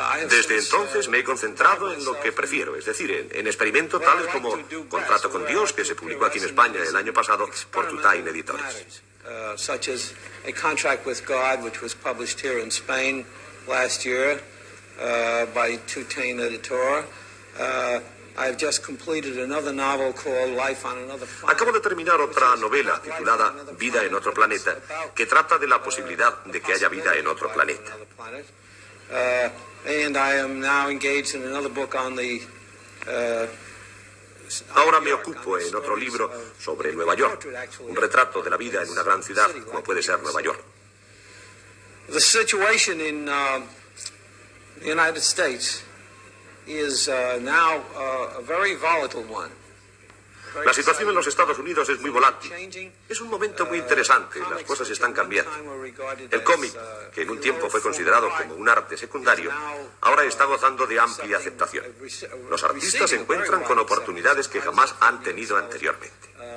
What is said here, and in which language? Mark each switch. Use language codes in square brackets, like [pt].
[es] Desde entonces me he concentrado en lo que prefiero, es decir, en experimentos tales como Contrato con Dios, que se publicó aquí en España el año pasado por Two Time Editores. [en] Such as a contract with God, which was published here in Spain last year by Two Time Editor. I've just completed another novel called Life on Another Planet. [es] Acabo de terminar otra novela titulada Vida en otro planeta, que trata de la posibilidad de que haya vida en otro planeta. [en] And I am now engaged in another book on the [es] Ahora me ocupo en otro libro sobre Nueva York, un retrato de la vida en una gran ciudad como puede ser Nueva York. [en] The situation in the United States is now a very volatile one. [es] La situación en los Estados Unidos es muy volátil. Es un momento muy interesante, las cosas están cambiando. El cómic, que en un tiempo fue considerado como un arte secundario, ahora está gozando de amplia aceptación. Los artistas se encuentran con oportunidades que jamás han tenido anteriormente.